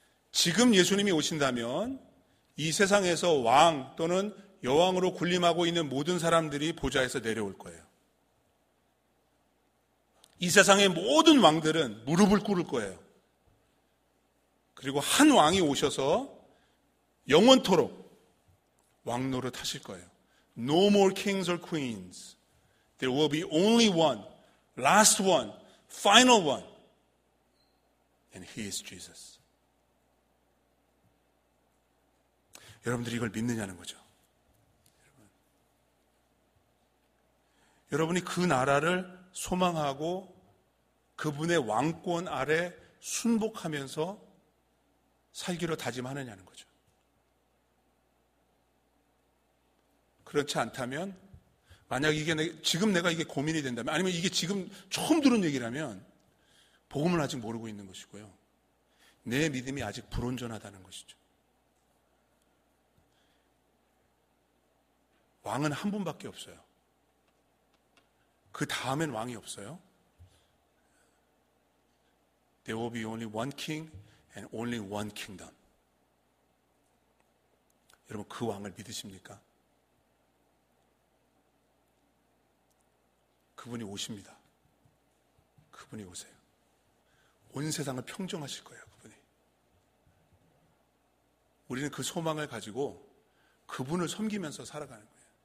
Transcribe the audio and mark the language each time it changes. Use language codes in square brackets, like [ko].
[ko] 지금 예수님이 오신다면 이 세상에서 왕 또는 여왕으로 군림하고 있는 모든 사람들이 보좌에서 내려올 거예요. 이 세상의 모든 왕들은 무릎을 꿇을 거예요. 그리고 한 왕이 오셔서 영원토록 왕노릇 하실 거예요. [en] No more kings or queens. There will be only one, last one, final one. And he is Jesus. [ko] 여러분들이 이걸 믿느냐는 거죠. 여러분이 그 나라를 소망하고 그분의 왕권 아래 순복하면서 살기로 다짐하느냐는 거죠. 그렇지 않다면, 만약 이게 지금 내가 이게 고민이 된다면, 아니면 이게 지금 처음 들은 얘기라면, 복음을 아직 모르고 있는 것이고요. 내 믿음이 아직 불온전하다는 것이죠. 왕은 한 분밖에 없어요. 그 다음엔 왕이 없어요. [en] There will be only one king and only one kingdom. [ko] 여러분, 그 왕을 믿으십니까? 그분이 오십니다. 그분이 오세요. 온 세상을 평정하실 거예요, 그분이. 우리는 그 소망을 가지고 그분을 섬기면서 살아가는 거예요.